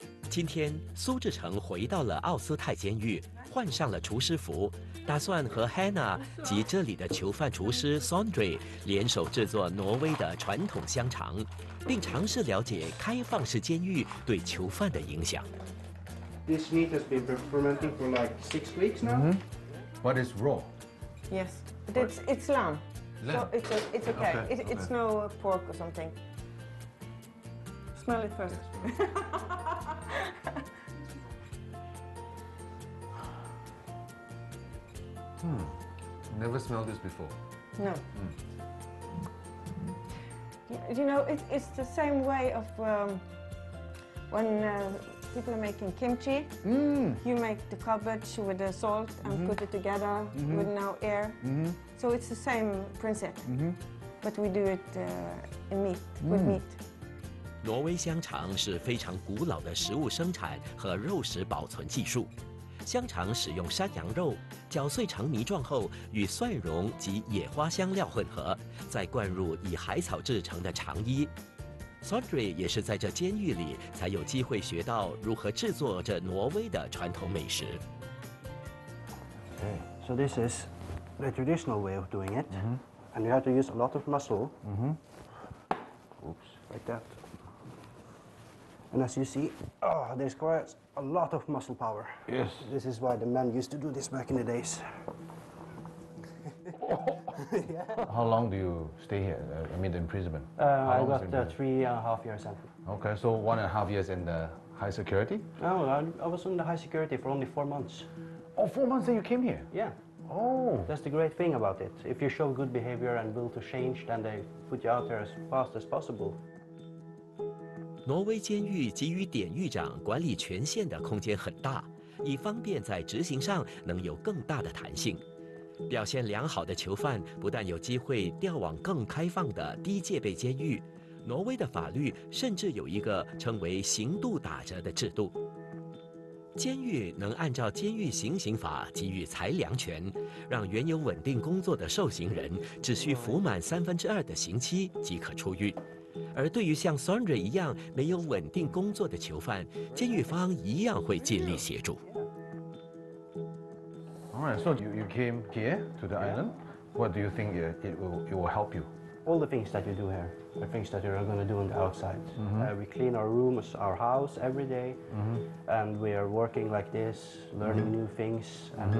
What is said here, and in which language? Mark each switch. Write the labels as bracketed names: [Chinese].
[Chinese] 今天，苏志成回到了奥斯泰监狱，换上了厨师服，打算和 Hannah 及这里的囚犯厨师 Sondre 联手制作挪威的传统香肠，并尝试了解开放式监狱对囚犯的影响。 [English] This meat has been fermenting for like 6 weeks now. But it's raw. Yes, but it's lamb. Lamb. So it's okay. Okay. It's no pork or something. Smell it first. Never smelled this before. No. You know, it's the same way of when people are making kimchi. You make the cabbage with the salt and put it together with no air. So it's the same principle. But we do it in meat, with meat. [Chinese] 挪威香肠是非常古老的食物生产和肉食保存技术。香肠使用山羊肉搅碎成泥状后，与蒜蓉及野花香料混合，再灌入以海草制成的肠衣。 Sondre 也是在这监狱里才有机会学到如何制作这挪威的传统美食。 [English] Okay, so this is the traditional way of doing it, and you have to use a lot of muscle. Oops, like that. And as you see, there's quite a lot of muscle power. Yes. This is why the men used to do this back in the days. How long do you stay here? I mean, the imprisonment. I got 3.5 years sentence. Okay, so 1.5 years in the high security? No, I was in the high security for only 4 months. Oh, 4 months that you came here? Yeah. Oh. That's the great thing about it. If you show good behavior and will to change, then they put you out there as fast as possible. [Chinese] 挪威监狱给予典狱长管理权限的空间很大，以方便在执行上能有更大的弹性。表现良好的囚犯不但有机会调往更开放的低戒备监狱，挪威的法律甚至有一个称为刑度打折的制度。监狱能按照监狱行刑法给予裁量权，让原有稳定工作的受刑人只需服满2/3的刑期即可出狱。而对于像 Sondre 一样没有稳定工作的囚犯，监狱方一样会尽力协助。 [English] All right, so you came here to the island. What do you think it will help you? all the things that you do here, the things that you are going to do on the outside. Mm-hmm. We clean our rooms, our house every day, mm-hmm. and we are working like this, learning mm-hmm. new things, and mm-hmm.